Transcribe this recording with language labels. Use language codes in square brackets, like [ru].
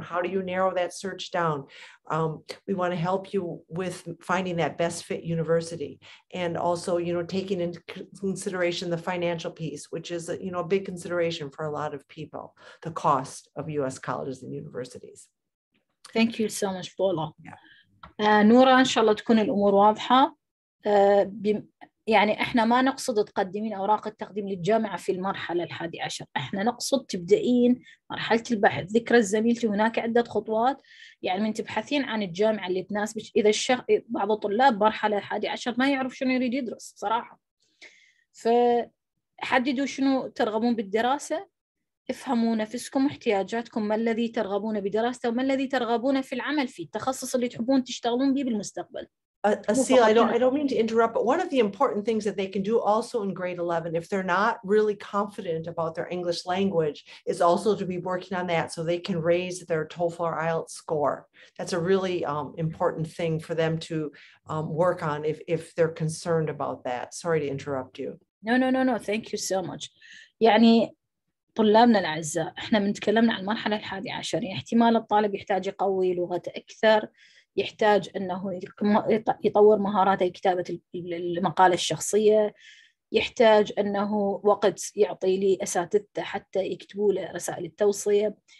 [en] How do you narrow that search down? We want to help you with finding that best fit university, and also, you know, taking into consideration the financial piece, which is, you know, a big consideration for a lot of people, the cost of U.S. colleges and universities. Thank you so much, Paula. Yeah. [ar] Noura, inshallah, تكون الأمور واضحة. يعني إحنا ما نقصد تقدمين أوراق التقديم للجامعة في المرحلة الحادي عشر، إحنا نقصد تبدأين مرحلة البحث. ذكر الزميلة هناك عدة خطوات، يعني من تبحثين عن الجامعة اللي تناسبك. إذا بعض الطلاب مرحلة الحادي عشر ما يعرف شنو يريد يدرس صراحة، فحددوا شنو ترغبون بالدراسة، افهموا نفسكم واحتياجاتكم، ما الذي ترغبون بدراسته وما الذي ترغبون في العمل فيه، التخصص اللي تحبون تشتغلون به بالمستقبل. [en] Asil, I don't mean to interrupt, but one of the important things that they can do also in grade 11, if they're not really confident about their English language, is also to be working on that so they can raise their TOEFL or IELTS score. That's a really important thing for them to work on if they're concerned about that. Sorry to interrupt you. No. Thank you so much. [ar] يعني طلابنا الأعزاء، إحنا بنتكلمنا عن المرحلة الحادية عشر، احتمال الطالب يحتاج يقوي لغة أكثر، يحتاج أنه يطور مهاراته كتابة المقالة الشخصية، يحتاج أنه وقت يعطي لي أساتذته حتى يكتبوا له رسائل التوصية.